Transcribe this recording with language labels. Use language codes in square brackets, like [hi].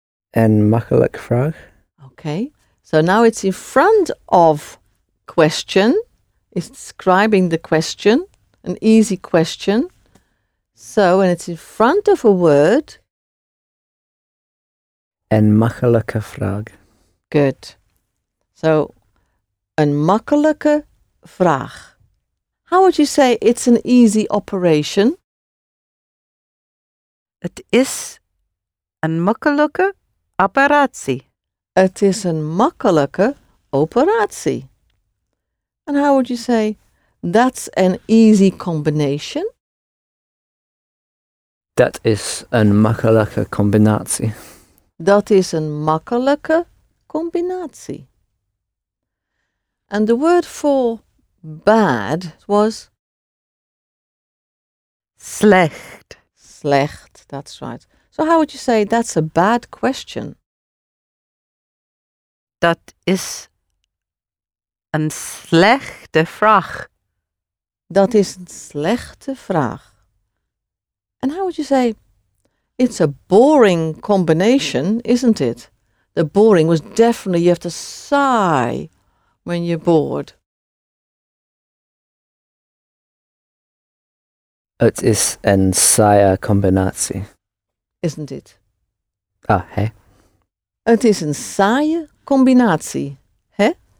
[nl] een makkelijk vraag. [en] Okay. So now it's in front of question. It's describing the question, an easy question. So when it's in front of a word, [nl] een makkelijke vraag. [en] Good. [nl] So, een makkelijke vraag. [en] How would you say it's an easy operation? [nl] Het is een makkelijke operatie. Het is een makkelijke operatie. [en] And how would you say that's an easy combination? [nl] Dat is een makkelijke combinatie. Dat is een makkelijke combinatie. [en] And the word for bad was [nl] slecht. [en] Slecht, that's right. So how would you say that's a bad question? [nl] Dat is een slechte vraag. Dat is een slechte vraag. [en] And how would you say, it's a boring combination, isn't it? The boring was definitely, you have to sigh when you're bored. [nl] Het is een saaie combinatie. [en] Isn't it? Ah, hey. [nl] Het is een saaie combinatie, hè?